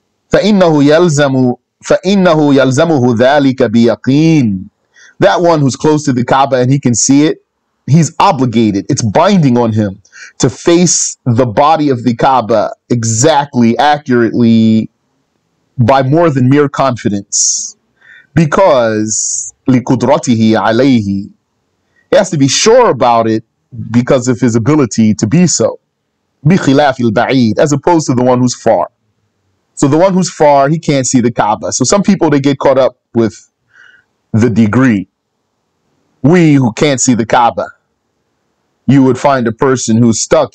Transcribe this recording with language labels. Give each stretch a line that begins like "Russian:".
Arabic: فَإِنَّهُ يَلْزَمُهُ ذَلِكَ بِيَقِينٍ.
English: That one who's close to the Kaaba and he can see it, he's obligated, it's binding on him to face the body of the Kaaba exactly, accurately, by more than mere confidence. Because
Arabic: لِقُدْرَتِهِ عَلَيْهِ.
English: He has to be sure about it because of his ability to be so.
Arabic: بِخِلَافِ الْبَعِيدِ.
English: As opposed to the one who's far. So the one who's far, he can't see the Kaaba. So some people, they get caught up with the degree. We who can't see the Kaaba, you would find a person who's stuck.